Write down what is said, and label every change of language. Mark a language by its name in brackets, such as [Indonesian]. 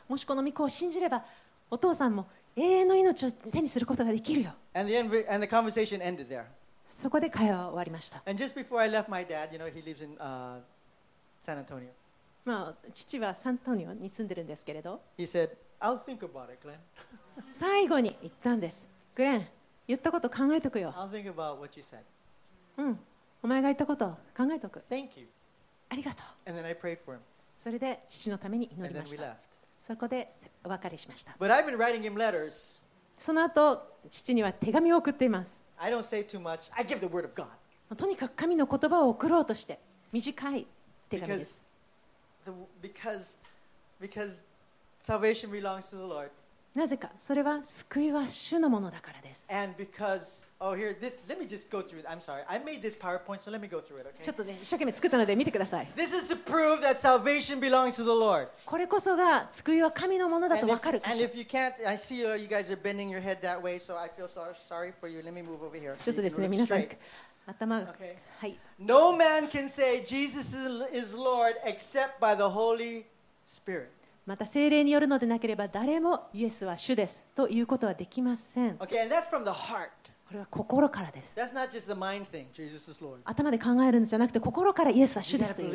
[Japanese] もしこの御子を信じれば、お父さんも永遠の命を手にすることができるよ。 [English] And the conversation ended there. [Japanese] そこで会話は終わりました。 [English] And just before I left my dad, you know, he lives in, San Antonio. [Japanese] まあ、父はサンタニオに住んでるんですけれど。 [English] He said, I'll think about it, Glenn. [Japanese] 最後に言ったんです。グレン。言ったこと考えとくよ。 [English] I'll think about what you said. [Japanese] うん、お前が言ったこと考えとく。 [English] Thank you. [Japanese] ありがとう。 [English] And then I prayed for him. [Japanese] それで父のために祈りました。 [English] And then we left. [Japanese] そこでお別れしました。 [English] But I've been writing him letters. [Japanese] その後父には手紙を送っています。 [English] I don't say too much. I give the word of God. [Japanese] とにかく神の言葉を送ろうとして短い手紙です。 [English] Because salvation belongs to the Lord. [Japanese] なぜかそれは救いは主のものだからです。 [English] And because, oh here, this, let me just go through it. I'm sorry, I made this PowerPoint, so let me go through it, okay? [Japanese] ちょっとね、一生懸命作ったので見てください。 [English] This is to prove that salvation belongs to the Lord. [Japanese] これこそが救いは神のものだと分かる。 [English] And if you can't, I see you guys are bending your head that way, so I feel sorry for you. Let me move over here. [Japanese] ちょっとですね、皆さん、頭が、はい。 [English] No man can say Jesus is Lord except by the Holy Spirit. [Japanese] また聖霊によるのでなければ誰もイエスは主ですということはできません。 [English] Okay, and that's from the heart. [Japanese] これは心からです。 [English] That's not just the mind thing, Jesus is Lord. [Japanese] 頭で考えるんじゃなくて心からイエスは主ですという。